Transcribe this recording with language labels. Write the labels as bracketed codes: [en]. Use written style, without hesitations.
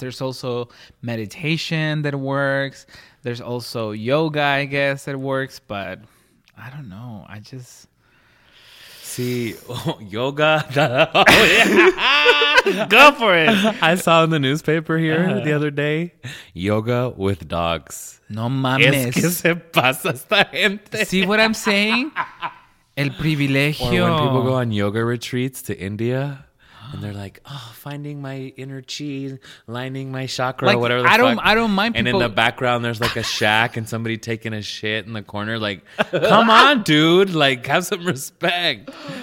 [en] There's also meditation that works. There's also yoga, I guess, that works, but I don't know. I just... See, yoga. Go for it. I saw in the newspaper here the other day, yoga with dogs. [es] No mames. Es que se pasa esta gente. [en] See what I'm saying? [es] El privilegio. [en] Or when people go on yoga retreats to India... And they're like, oh, finding my inner chi, lining my chakra, like, whatever the fuck. I don't mind people. And in the background, there's like a shack and somebody taking a shit in the corner. Like, come on, dude. Like, have some respect.